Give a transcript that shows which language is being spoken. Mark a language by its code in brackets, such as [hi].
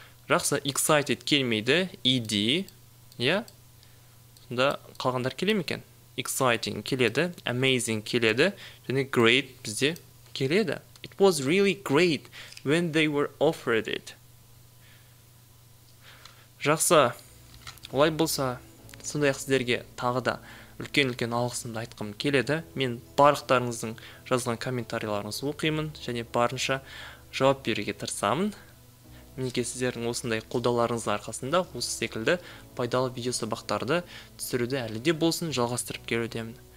[kk] Жақсы, excited келмейді, ed, yeah? Сонда қалғандар келе ме екен? Exciting келеді, amazing келеді, және great бізде келеді. [en] It was really great when they were offered it. [kk] Жақсы, олай болса, сондай-ақ сіздерге тағы да үлкен-үлкен алғысымды айтқым келеді. Мен барлықтарыңыздың жазған комментарияларыңызды оқимын және барынша жауап беруге тырысамын. Мінекей, сіздердің осындай қолдауларыңыздың арқасында осы секілді пайдалы видео сабақтарды түсіруді әлі де болсын жалғастырып келудемін.